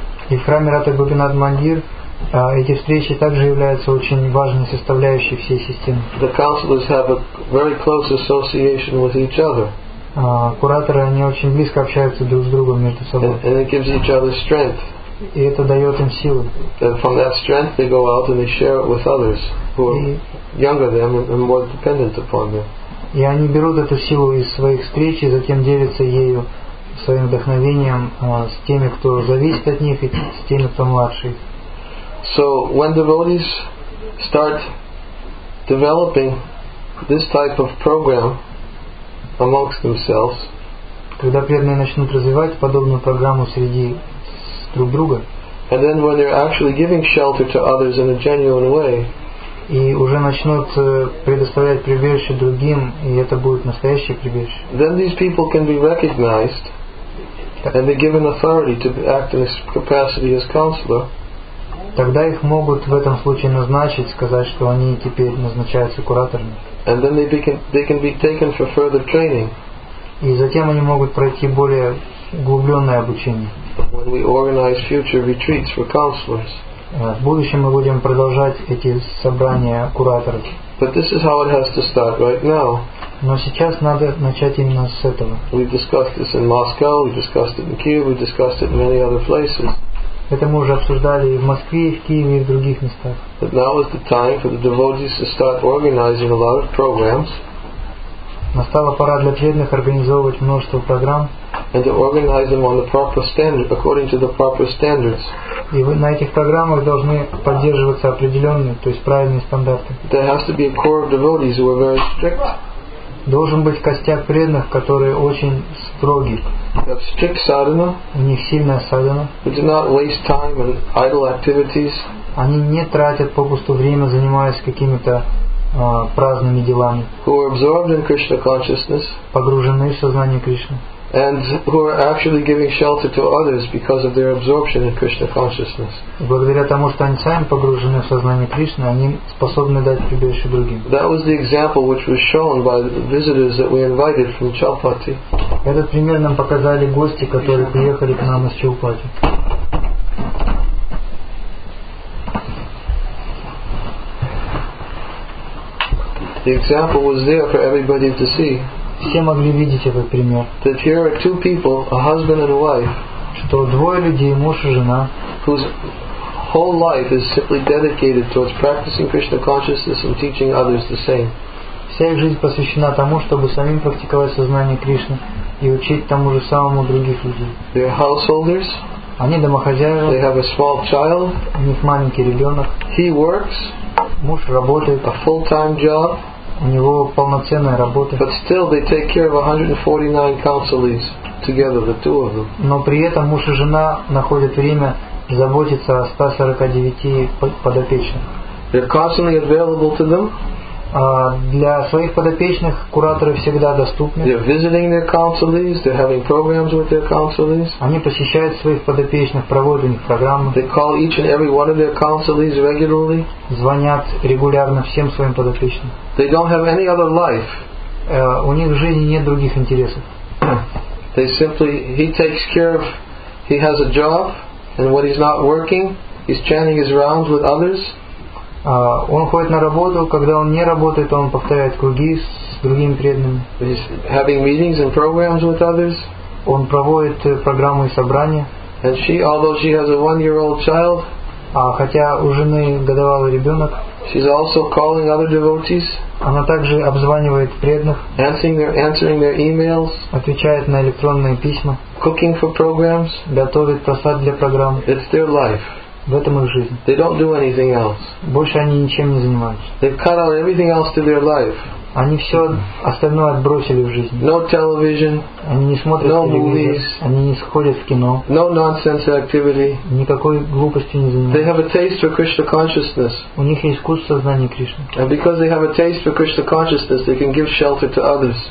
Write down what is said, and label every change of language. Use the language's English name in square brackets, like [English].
[Russian] И в храме Радха Гопинат Мандир эти встречи также являются очень важной составляющей всей системы. [English] The counselors have a very close association with each other. [Russian] Кураторы, они очень близко общаются друг с другом между собой. [English] And it gives each other strength. [Russian] И это дает им силу. [English] And from that strength they go out and they share it with others who are younger than them and more dependent upon them. [Russian] И они берут эту силу из своих встреч и затем делятся ею своим вдохновением с теми, кто зависит от них, и с теми, кто младше. [English] So when devotees start developing this type of program amongst themselves, [Russian] когда преданные начнут развивать подобную программу среди друг друга, [English] and then when they're actually giving shelter to others in a genuine way, [Russian] и уже начнут предоставлять прибежище другим, и это будет настоящее прибежище, [English] then these people can be recognized. And they're given authority to act in this capacity as counselor. [Russian] Тогда их могут в этом случае назначить, сказать, что они теперь назначаются кураторами. [English] And then they can be taken for further training. [Russian] И затем они могут пройти более углубленное обучение. [English] When we organize future retreats for counselors. [Russian] В будущем мы будем продолжать эти собрания кураторов. [English] But this is how it has to start right now. [Russian] Но сейчас надо начать именно с этого. [English] We discussed this in Moscow, we discussed it in Kiev, we discussed it in many other places. [Russian] Это мы уже обсуждали и в Москве, и в Киеве, и в других местах. [English] But now is the time for the devotees to start organizing a lot of programs. [Russian] Настала пора для преданных организовывать множество программ. [English] And to organize them on the proper standard, according to the proper standards. [Russian] И вы на этих программах должны поддерживаться определенные, то есть правильные стандарты. [English] There has to be a core of devotees who are very strict. [Russian] Должен быть костяк преданных, которые очень строги. [English] They have strict sadhana. [Russian] У них сильная садхана. [English] They do not waste time in idle activities. [Russian] Они не тратят попусту время, занимаясь какими-то праздными делами. [English] Who are absorbed in Krishna consciousness. [Russian] Погружены в сознание Кришны. [English] And who are actually giving shelter to others because of their absorption in Krishna consciousness. [Russian] Благодаря тому, что они сами погружены в сознание Кришны, они способны дать прибежище другим. [English] That was the example which was shown by the visitors that we invited from Chalpati. [Russian] Этот пример нам показали гости, которые приехали к нам из Чалпати. [English] The example was there for everybody to see. [Russian] Все могли видеть этот пример. [English] That here are two people, a husband and a wife, [Russian] что двое людей, муж и жена, [English] whose whole life is simply dedicated towards practicing Krishna consciousness and teaching others the same. [Russian] Вся их жизнь посвящена тому, чтобы самим практиковать сознание Кришны и учить тому же самому других людей. [English] They are householders. [Russian] Они домохозяева. [English] They have a small child. [Russian] У них маленький ребенок. [English] He works. [Russian] Муж работает. [English] A full-time job. [Russian] У него полноценная работа. [English] But still they take care of 149 counselees together, the two of them. [Russian] Но при этом муж и жена находят время заботиться о 149 подопечных. [English] They're constantly available to them. [Russian] Для своих подопечных кураторы всегда доступны. [English] They're visiting their counselees, they're having programs with their counselees. [Russian] Они посещают своих подопечных, проводят у них программы. [English] They call each and every one of their counselees regularly. [Russian] Звонят регулярно всем своим подопечным. [English] They don't have any other life. [Russian] У них в жизни нет других интересов. [English] he takes care of, he has a job, and when he's not working, he's chanting his rounds with others. [Russian] Он ходит на работу, когда он не работает, он повторяет круги с другими преданными. [English] He's having meetings and programs with others. [Russian] Он проводит программы и собрания. [English] And she, although she has a one-year-old child, [Russian] хотя у жены годовалый ребенок, [English] she's also calling other devotees. [Russian] Она также обзванивает преданных, [English] answering their emails, [Russian] отвечает на электронные письма, [English] cooking for programs, [Russian] готовит просад для программ. [English] It's their life. [Russian] В этом их жизнь. [English] They don't do anything else. [Russian] Больше они ничем не занимаются. [English] They've cut out everything else to their life. [Russian] Они все остальное отбросили в жизни. [English] No television. [Russian] Они не смотрят [English] no [Russian] телевизор. [English] Movies. [Russian] Они не сходят в кино. [English] No nonsense activity. [Russian] Никакой глупости не занимаются. [English] They have a taste for Krishna consciousness. [Russian] У них есть вкус сознания Кришны. [English] And because they have a taste for Krishna consciousness, they can give shelter to others.